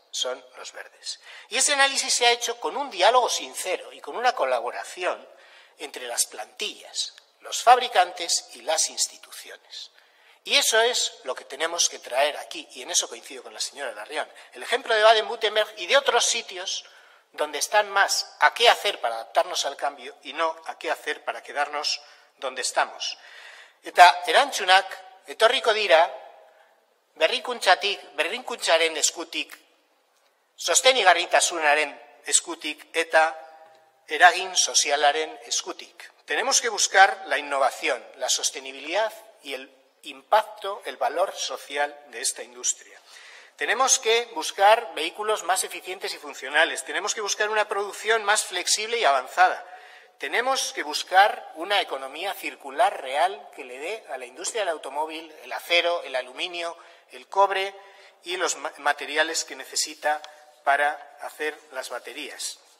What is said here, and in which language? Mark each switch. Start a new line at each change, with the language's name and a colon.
Spanish: Son los verdes. Y ese análisis se ha hecho con un diálogo sincero y con una colaboración entre las plantillas, los fabricantes y las instituciones. Y eso es lo que tenemos que traer aquí, y en eso coincido con la señora Larrión, el ejemplo de Baden-Württemberg y de otros sitios donde están más a qué hacer para adaptarnos al cambio y no a qué hacer para quedarnos donde estamos.
Basque: Eta erantzunak, etorriko dira, berrikuntzatik, berrikuntzaren eskutik, sostenigarritasunaren eskutik eta eragin sozialaren eskutik.
Spanish: Tenemos que buscar la innovación, la sostenibilidad y el impacto, el valor social de esta industria. Tenemos que buscar vehículos más eficientes y funcionales. Tenemos que buscar una producción más flexible y avanzada. Tenemos que buscar una economía circular real que le dé a la industria del automóvil el acero, el aluminio, el cobre y los materiales que necesita para hacer las baterías.